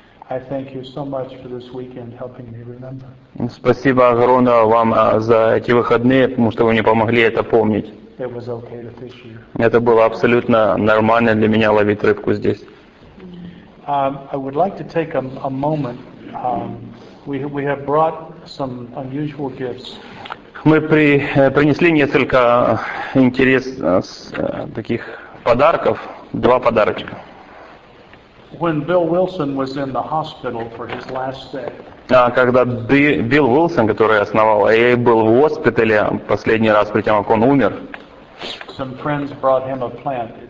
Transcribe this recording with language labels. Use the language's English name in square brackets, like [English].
[English] I thank you so much for this weekend helping me remember. [Russian] Спасибо огромное вам за эти выходные, потому что вы мне помогли это помнить. [English] It was okay to fish here. [Russian] Это было абсолютно нормально для меня ловить рыбку здесь. [English] I would like to take a moment. We have brought some unusual gifts. [Russian] Мы принесли несколько интересных таких подарков, два подарочка. [English] When Bill Wilson was in the hospital for his last stay. [Russian] Когда Билл Уилсон, который основал AA, был в госпитале последний раз, при том, как он умер. [English] Some friends brought him a plant.